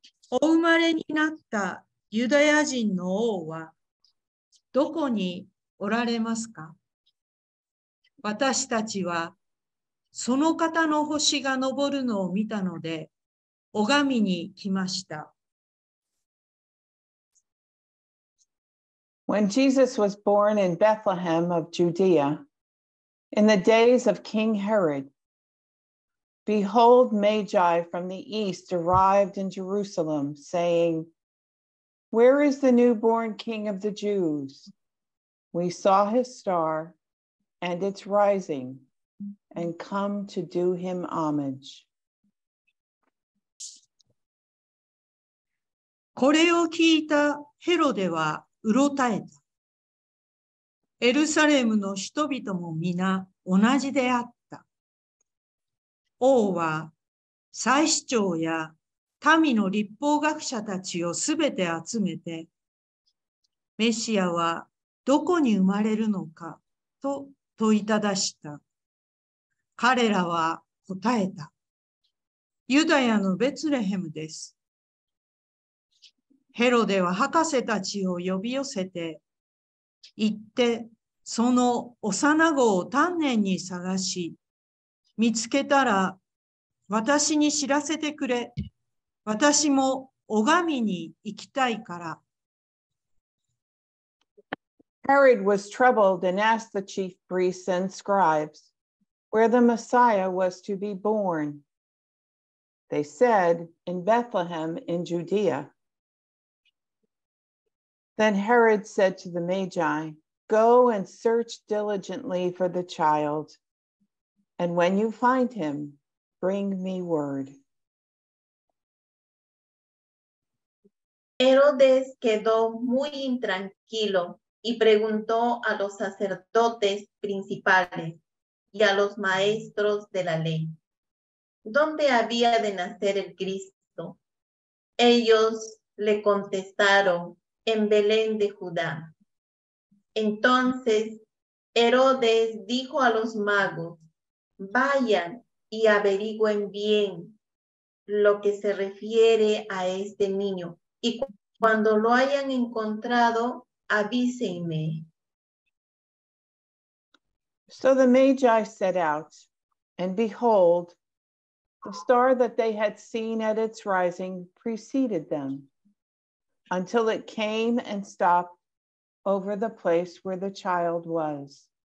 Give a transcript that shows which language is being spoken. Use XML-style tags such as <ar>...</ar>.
<ja>お生まれになったユダヤ人の王はどこにおられますか？私たちはその方の星が昇るのを見たので、拝みに来ました。</ja> <en>When Jesus was born in Bethlehem of Judea, in the days of King Herod, behold, Magi from the east arrived in Jerusalem, saying, Where is the newborn king of the Jews? We saw his star and its rising, and come to do him homage.</en> <ja>これを聞いたヘロデはうろたえた。エルサレムの人々も皆同じであった。王は祭司長や民の律法学者たちをすべて集めて、メシアはどこに生まれるのかと問いただした。彼らは答えた。ユダヤのベツレヘムです。ヘロデは博士たちを呼び寄せて、行って、その幼子を丹念に探し、見つけたら、私に知らせてくれ。私も拝みに行きたいから。</ja> <en>Herod was troubled and asked the chief priests and scribes where the Messiah was to be born. They said, in Bethlehem in Judea. Then Herod said to the Magi, Go and search diligently for the child, and when you find him, bring me word.</en> <es>Herodes quedó muy intranquilo y preguntó a los sacerdotes principales y a los maestros de la ley, ¿dónde había de nacer el Cristo? Ellos le contestaron,en Belén de Judá. Entonces Herodes dijo a los magos, vayan y averigüen bien lo que se refiere a este niño, y cuando lo hayan encontrado, avísenme</es> <en>So the Magi set out, and behold, the star that they had seen at its rising preceded them, until it came and stopped over the place where the child was.</en>